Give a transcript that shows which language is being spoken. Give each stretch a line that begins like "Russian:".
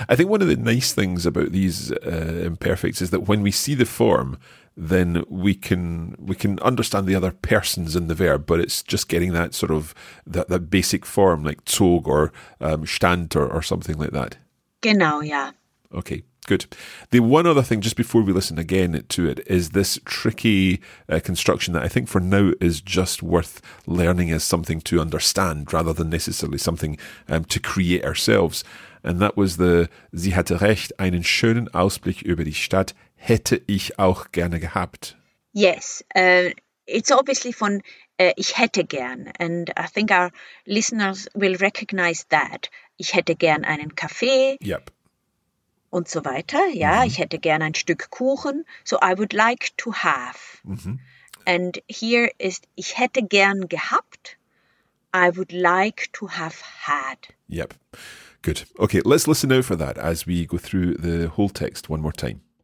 English: I think one of the nice things about these imperfects is that when we see the form, then we can understand the other persons in the verb, but it's just getting that sort of that basic form like zog or stand or something like that.
German: Genau,
English: yeah. Okay, good. The one other thing, just before we listen again to it, is this tricky construction that I think for now is just worth learning as something to understand rather than necessarily something to create ourselves. And that was the,
German: sie hatte recht, einen schönen Ausblick über die Stadt hätte ich auch gerne gehabt.
English: Yes, it's obviously
German: von ich hätte gern.
English: And I think our listeners will recognize that.
German: Ich hätte gern einen Kaffee.
English: Yep.
German: Und so weiter. Ja, mm-hmm. ich hätte gern ein Stück Kuchen.
English: So I would like to have. Mm-hmm. And here is,
German: ich hätte gern gehabt.
English: I would like to have had. Yep. Good. Okay, let's listen now for that as we go through the whole text one more time.